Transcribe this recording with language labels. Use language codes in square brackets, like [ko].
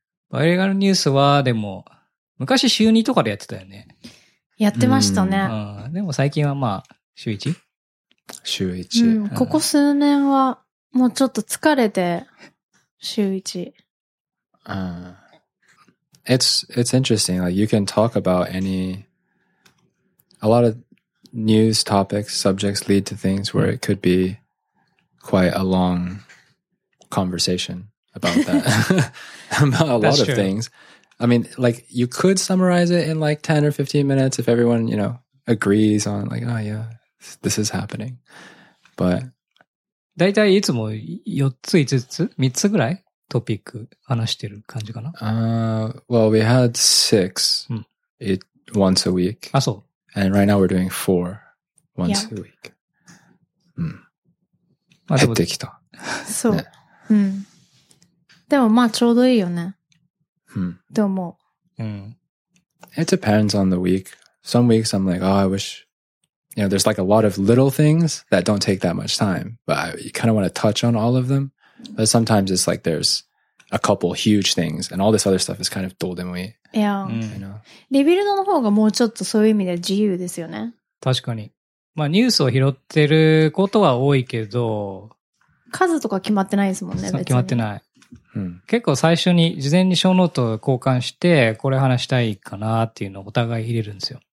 [ja] バイリンガルニュースはでも昔週2とかでやってたよね。やってましたね。うん、でも最近はまあ週一？週一、うん。ここ数年はもうちょっと疲れて週一。 [en] It's interesting. Like you can talk about any, a lot of news topics, subjects lead to things where it could be quite a long conversation about that. about a lot、 That's、 of、 true. things. I mean, like, you could summarize it in like 10 or 15 minutes if everyone, you know, agrees on like, oh yeah, this is happening. But. [ja] 大体いつも4つ、5つ、3つぐらいトピック話してる感じかな。 [en] Well, we had 6、うん、it, once a week. [ja] あ、そう。 [en] And right now we're doing 4 once、yeah. a week. [ja] うん、まあ。減ってきた。そう、ね。うん。でもまあちょうどいいよね。 Hmm. [en] It depends on the week. Some weeks I'm like, oh, I wish, you know, there's like a lot of little things that don't take that much time, but I kind of want to touch on all of them. But sometimes it's like there's a couple huge things and all this other stuff is kind of [ja] どうでもいい。 [en] Yeah. [ja] リビルドの方がもうちょっとそういう意味で自由ですよね。確かに。まあニュースを拾ってることは多いけど、数とか決まってないですもんね。別に決まってない。うん、結構最初に事前にショーノート交換して、これ話したいかなっていうのをお互い入れるんですよ、